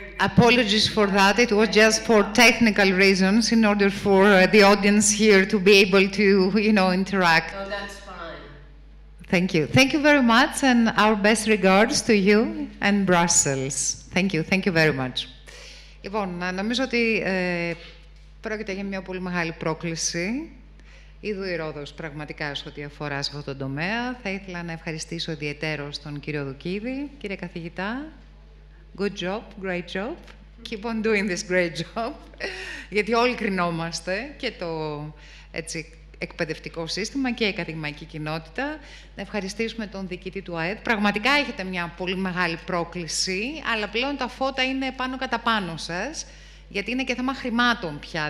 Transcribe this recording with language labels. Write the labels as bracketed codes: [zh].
[en] apologies for that. It was just for technical reasons, in order for the audience here to be able to, you know, interact. No, that's fine. Thank you. Thank you very much, and our best regards to you and Brussels. Thank you. Thank you very much. [el] Λοιπόν, νομίζω ότι πρόκειται για μια πολύ μεγάλη πρόκληση. Είδου η Ρόδος πραγματικά σε ό,τι αφορά σε αυτόν τον τομέα. Θα ήθελα να ευχαριστήσω ιδιαιτέρως τον κύριο Δουκίδη. Κύριε καθηγητά, [en] good job, great job. keep on doing this great job. [el] Γιατί όλοι κρινόμαστε και το έτσι, εκπαιδευτικό σύστημα και η ακαδημαϊκή κοινότητα. Να ευχαριστήσουμε τον διοικητή του ΟΑΕΔ. Πραγματικά έχετε μια πολύ μεγάλη πρόκληση, αλλά πλέον τα φώτα είναι πάνω κατά πάνω σας, γιατί είναι και θέμα χρημάτων πια.